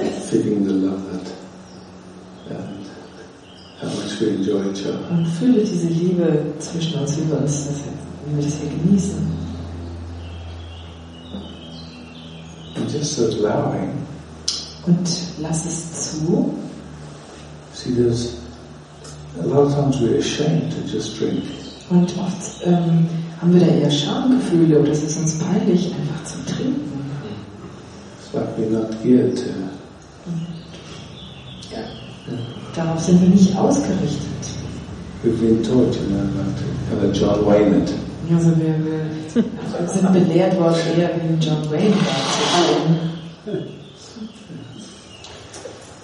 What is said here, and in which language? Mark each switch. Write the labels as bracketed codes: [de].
[en] Feeling the love that and how much we enjoy each other. [de] Und fühle diese Liebe zwischen uns, wie wir das hier genießen. [en] And just allowing. [de] Und lass es zu. [en] See, there's a lot of times we're ashamed to just drink. [de] Und oft haben wir da eher Schamgefühle oder es ist uns peinlich, einfach zu trinken. [en] It's like we're not geared to. [de] Darauf sind wir nicht ausgerichtet. [en] We've been taught, you know, not have a John Wayne it. [de] Ja, also wir sind belehrt worden, eher wie John Wayne zu trinken.